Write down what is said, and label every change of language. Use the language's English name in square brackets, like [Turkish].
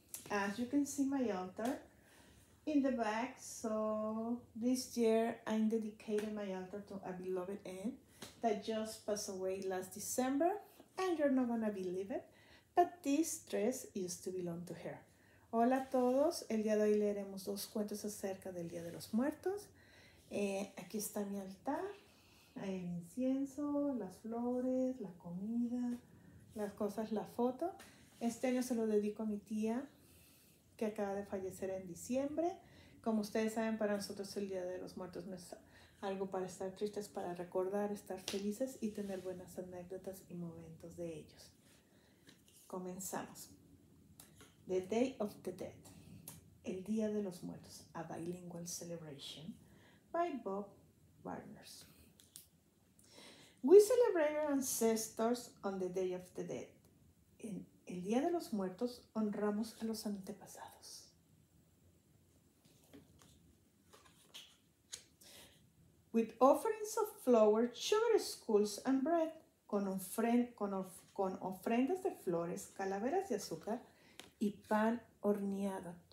[English] As you can see my altar in the back, so this year I dedicated my altar to a beloved aunt that just passed away last December, and you're not going to believe it, but this dress used to belong to her. [Spanish] Hola a todos, el día de hoy leeremos dos cuentos acerca del Día de los Muertos. Aquí está mi altar. Hay el incienso, las flores, la comida, las cosas, la foto. Este año se lo dedico a mi tía, que acaba de fallecer en diciembre. Como ustedes saben, para nosotros el Día de los Muertos no es algo para estar tristes, para recordar, estar felices y tener buenas anécdotas y momentos de ellos. Comenzamos. [English] The Day of the Dead. [Spanish] El Día de los Muertos. [English] A Bilingual Celebration by Bob Barner. We celebrate our ancestors on the Day of the Dead. [Spanish] En el Día de los Muertos, honramos a los antepasados. [English] With offerings of flowers, sugar skulls, and bread, [Spanish] con ofrendas de flores, calaveras de azúcar, y pan horneado.